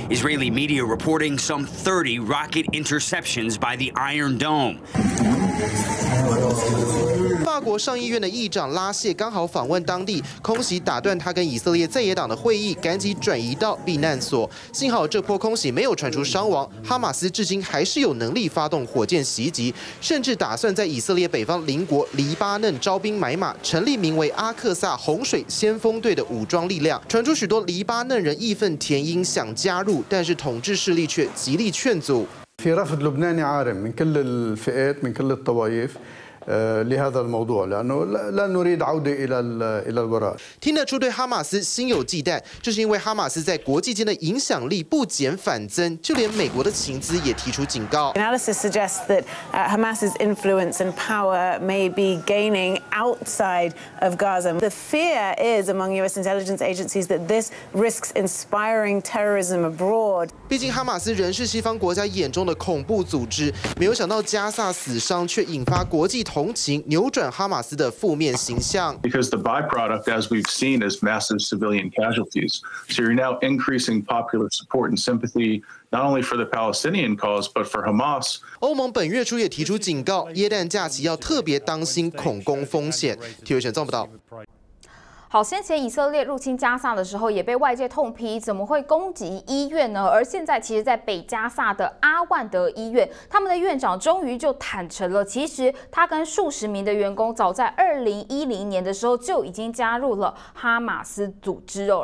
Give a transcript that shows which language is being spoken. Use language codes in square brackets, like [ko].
[en] Israeli media reporting some 30 rocket interceptions by the Iron Dome. [zh] 法国上议院的议长拉谢刚好访问当地，空袭打断他跟以色列在野党的会议，赶紧转移到避难所。幸好这波空袭没有传出伤亡，哈马斯至今还是有能力发动火箭袭击，甚至打算在以色列北方邻国黎巴嫩招兵买马，成立名为阿克萨洪水先锋队的武装力量。传出许多黎巴嫩人义愤填膺想加入，但是统治势力却极力劝阻。 [ar] في رفض لبناني عارم من كل الفئات من كل الطوائف لهذا الموضوع لأنه لا نريد عودة إلى الوراء. [zh] 听得出对哈马斯心有忌惮，这是因为哈马斯在国际间的影响力不减反增，就连美国的情资也提出警告。 [en] Analysis suggests that Hamas's influence and power may be gaining outside of Gaza. The fear is among U.S. intelligence agencies that this risks inspiring terrorism abroad. [zh] 毕竟哈马斯仍是西方国家眼中的恐怖组织，没有想到加萨死伤却引发国际同情，扭转哈马斯的负面形象。 [en] Because the byproduct, as we've seen, is massive civilian casualties. So you're now increasing popular support and sympathy, not only for the Palestinian cause, but for Hamas. [zh] 欧盟本月初也提出警告，耶诞假期要特别当心恐攻风险。体育选做不到。好，先前以色列入侵加萨的时候，也被外界痛批怎么会攻击医院呢？而现在，其实，在北加萨的阿万德医院，他们的院长终于就坦诚了，其实他跟数十名的员工，早在2010年的时候就已经加入了哈马斯组织哦。